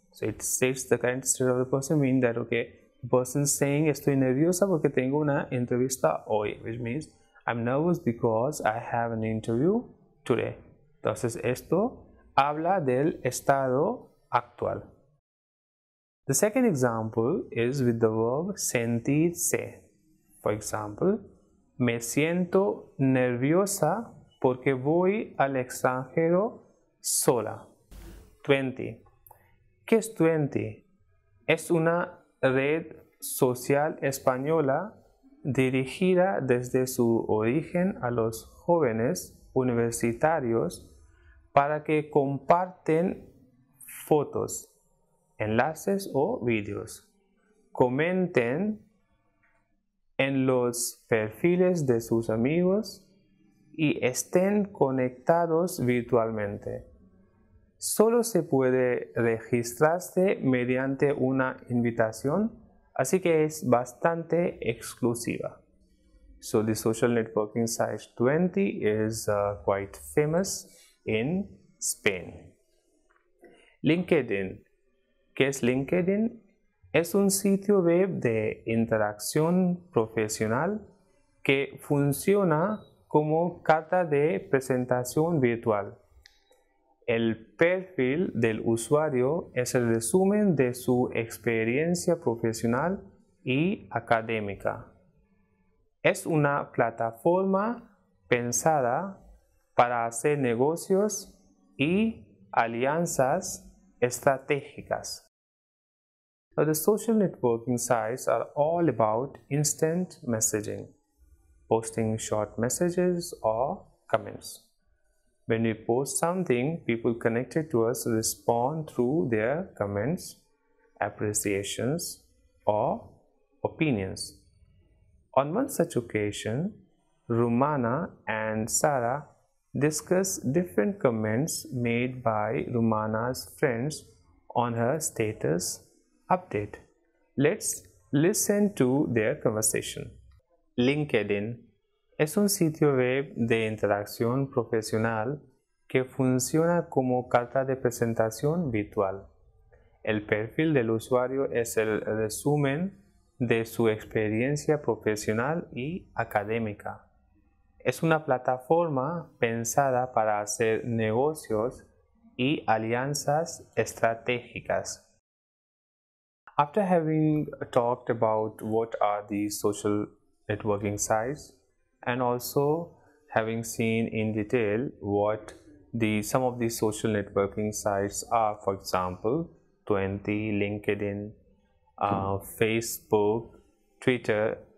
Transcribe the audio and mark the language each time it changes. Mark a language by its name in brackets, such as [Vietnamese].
[English] So it states the current state of the person, meaning that, okay, the person saying [Spanish] estoy nerviosa porque tengo una entrevista hoy, [English] which means I'm nervous because I have an interview today. [Spanish] Entonces esto habla del estado actual. [English] The second example is with the verb sentirse. For example, [Spanish] me siento nerviosa porque voy al extranjero sola. [English] 20. [Spanish] ¿Qué es 20? Es una red social española dirigida desde su origen a los jóvenes universitarios para que comparten fotos, enlaces o vídeos, comenten en los perfiles de sus amigos y estén conectados virtualmente. Solo se puede registrarse mediante una invitación, así que es bastante exclusiva. [English] So the social networking site 20 is quite famous in Spain. [Spanish] LinkedIn. ¿Qué es LinkedIn? Es un sitio web de interacción profesional que funciona como carta de presentación virtual. El perfil del usuario es el resumen de su experiencia profesional y académica. Es una plataforma pensada para hacer negocios y alianzas estratégicas. [English] So the social networking sites are all about instant messaging, posting short messages or comments. When we post something, people connected to us respond through their comments, appreciations, or opinions. On one such occasion, Rumana and Sara discuss different comments made by Rumana's friends on her status update. Let's listen to their conversation. LinkedIn. [Spanish] Es un sitio web de interacción profesional que funciona como carta de presentación virtual. El perfil del usuario es el resumen de su experiencia profesional y académica. Es una plataforma pensada para hacer negocios y alianzas estratégicas. [English] After having talked about what are the social networking sites and also having seen in detail what some of the social networking sites are, for example, 20, LinkedIn, Facebook, Twitter.